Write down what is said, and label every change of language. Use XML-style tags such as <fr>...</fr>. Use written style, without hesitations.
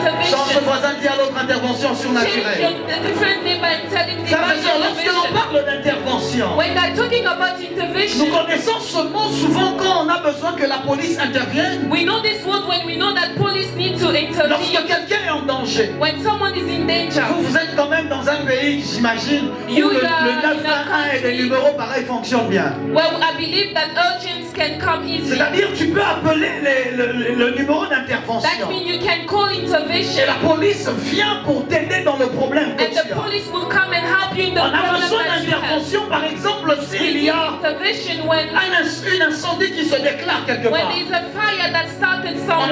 <fr>Change le voisin, dis à l'autre intervention surnaturelle. Ça veut dire, lorsque l'on parle d'intervention,</fr> <en>when they're talking about intervention,</en> <fr>nous connaissons ce mot souvent quand on a besoin que la police intervienne.</fr> <en>We know this word when we know that police need to intervene.</en> <fr>Lorsque quelqu'un est en danger.</fr> <en>When someone is in danger.</en> <fr>Vous êtes quand même dans un pays, j'imagine, où le 911 et les numéros pareils fonctionnent bien.</fr> <en>Well, I believe that urgents can come easy.</en> <fr>C'est-à-dire, tu peux appeler le numéro d'intervention.</fr> <en>That means you can call intervention.</en> <fr>Et la police vient pour t'aider dans le problème.</fr> <en>And the police will come and help you in the problem.</en> <fr>On a besoin d'intervention, par exemple, s'il y a un incendie qui se déclare quelque part.</fr> <en>When there is a fire that started somewhere.</en>